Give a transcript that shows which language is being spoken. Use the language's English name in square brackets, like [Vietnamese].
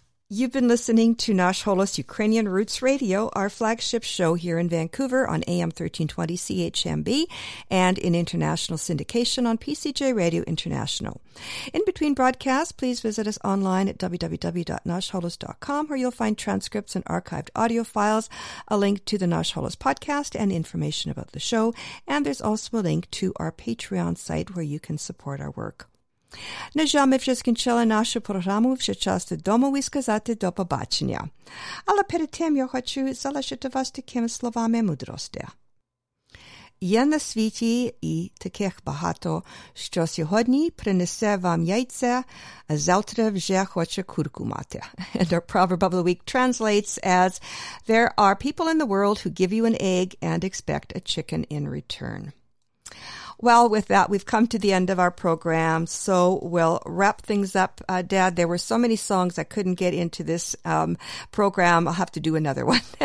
[English] You've been listening to Nash Holos Ukrainian Roots Radio, our flagship show here in Vancouver on AM 1320 CHMB and in international syndication on PCJ Radio International. In between broadcasts, please visit us online at www.nashholos.com, where you'll find transcripts and archived audio files, a link to the Nash Holos podcast and information about the show. And there's also a link to our Patreon site where you can support our work. [Ukrainian] Нажами вже скінчили нашу програму, вже час додому і сказати до побачення. Але перед тим я хочу залишити вас такими словами мудрості. Є на світі і таких багато, що сьогодні принесе вам яйце, а завтра вже хоче курку мати. [English] And our proverb of the week translates as, there are people in the world who give you an egg and expect a chicken in return. Well, with that, we've come to the end of our program, so we'll wrap things up. Dad, there were so many songs I couldn't get into this program. I'll have to do another one.